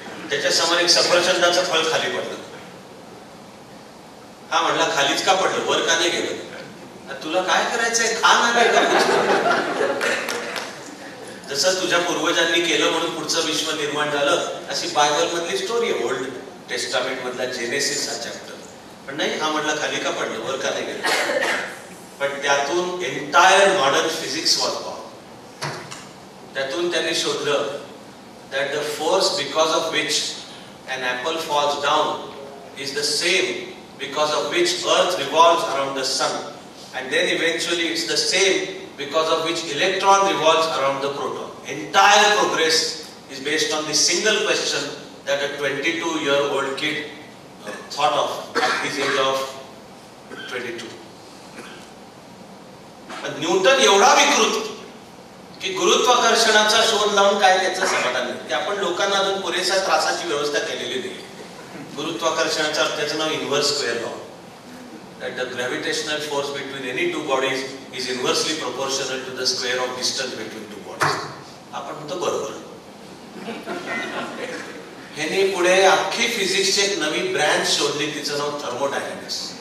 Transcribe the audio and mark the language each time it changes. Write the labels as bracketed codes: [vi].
[mr] त्याच्या समोर एक सफरचंदाचं फळ खाली पडलं, हा म्हणला खालीच का पडलं वर का नाही गेलं, तुला काय करायचंय खा नाही का जसं तुझ्या पूर्वजांनी केलं म्हणून पुढचं विश्व निर्माण झालं अशी बायबल मधली स्टोरी आहे, ओल्ड टेस्टामेंट मधला जेनेसिस हा चॅप्टर, पण नाही हा म्हटला खाली का पडलं वर का नाही गेलं, पण त्यातून [en] Entire modern physics was born. [mr] त्यातून त्यांनी शोधलं [en] that the force because of which an apple falls down is the same because of which earth revolves around the sun and then eventually it's the same because of which electron revolves around the proton. Entire progress is based on the single question that a 22 year old kid thought of at his age of 22. [mr] And Newton evda vikrut कि गुरुत्वाकर्षणाचा शोध लावून काय त्याचं समाधान नाही, ते आपण लोकांना अजून पुरेशा त्रासाची व्यवस्था केलेली नाही। गुरुत्वाकर्षणाचा अर्थ त्याचं नाव [en] inverse square law, that the gravitational force between any two bodies is inversely proportional to the square of distance between two bodies, [mr] आपण म्हणतो बरोबर। ह्यांनी पुढे अख्खी फिजिक्सची एक नवी ब्रँच शोधली, तिचं नाव थर्मोडायनामिक्स।